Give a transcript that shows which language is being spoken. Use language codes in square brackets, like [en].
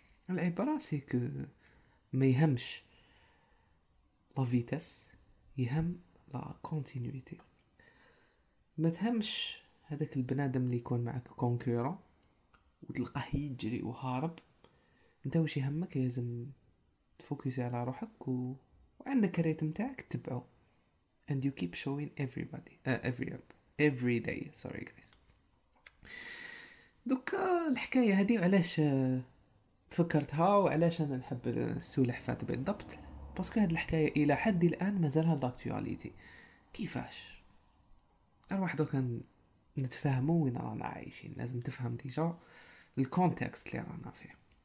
[ar] العبره سي كو ما يهمش لا فيتاس، يهم لا كونتينيتي. ما تهمش هذاك البنادم اللي يكون معك كونكورون وتلقاه يجري وهارب، انت واش يهمك؟ لازم تفوكسي على روحك و... وعندك الريتم تاعك تبعه. [en] And you keep showing everybody every day. Sorry guys. [ar] دوكا الحكاية هذه علاش تفكرتها وعلاش انا نحب السلحفات بالضبط؟ باسكو هاد الحكاية الى حد الان مازالها داكتواليتي. كيفاش اروح دوكا نتفاهموا وين رانا عايشين؟ لازم تفهم ديجا الكونتكست اللي رانا فيه.